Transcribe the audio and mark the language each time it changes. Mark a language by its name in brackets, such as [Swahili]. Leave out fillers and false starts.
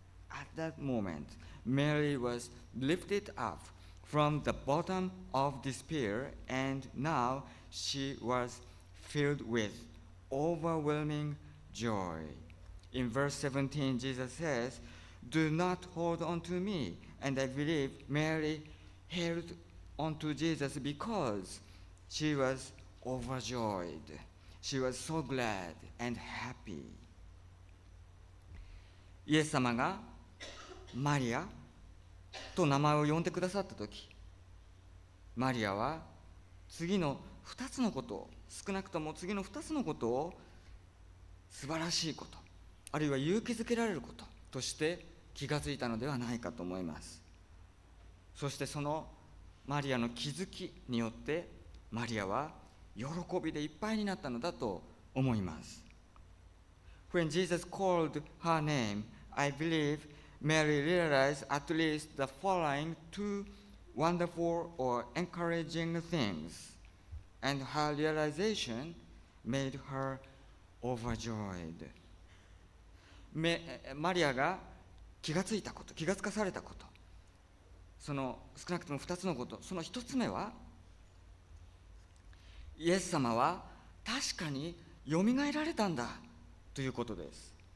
[English] At that moment, Mary was lifted up from the bottom of despair, and now she was filled with overwhelming joy. In verse 17, Jesus says, Do not hold on to me. And I believe Mary held on to Jesus because she was overjoyed. She was so glad and happy. [Japanese] イエス様がマリアと名前を呼んでくださったとき、マリアは次の二つのことを、少なくとも次の二つのことを素晴らしいこと、あるいは勇気づけられることとして気がついたのではないかと思います。そしてそのマリアの気づきによって、マリアは喜びでいっぱいになったのだと思います。 [English] When Jesus called her name, I believe Mary realized at least the following two wonderful or encouraging things, and her realization made her overjoyed. [Japanese] マリアが気がついたこと、気がつかされたこと、その少なくとも二つのこと、その一つ目は、イエス様は確かによみがえられたんだということです。